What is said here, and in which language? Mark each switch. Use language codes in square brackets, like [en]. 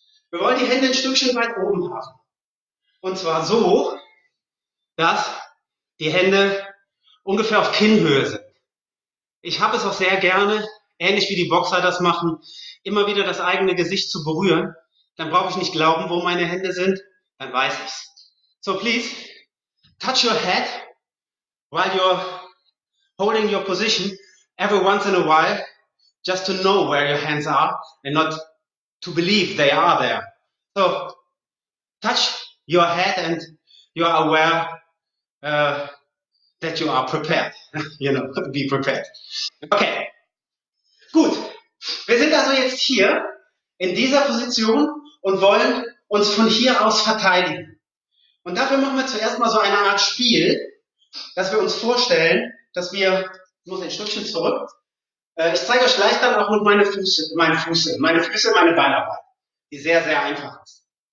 [de] Wir wollen die Hände ein Stückchen weit oben haben. Und zwar so, dass die Hände ungefähr auf Kinnhöhe sind. Ich habe es auch sehr gerne, ähnlich wie die Boxer das machen, immer wieder das eigene Gesicht zu berühren. Dann brauche ich nicht glauben, wo meine Hände sind, dann weiß ich's. [en] So please, touch your head while you're holding your position every once in a while, just to know where your hands are and not to believe they are there. So touch your head and you are aware that you are prepared, you know, be prepared. [de] Okay, gut. Wir sind also jetzt hier in dieser Position und wollen uns von hier aus verteidigen. Und dafür machen wir zuerst mal so eine Art Spiel, dass wir uns vorstellen, dass wir, ich muss ein Stückchen zurück, ich zeige euch gleich dann auch mit meine Füße, meine Beinarbeit, die sehr, sehr einfach ist.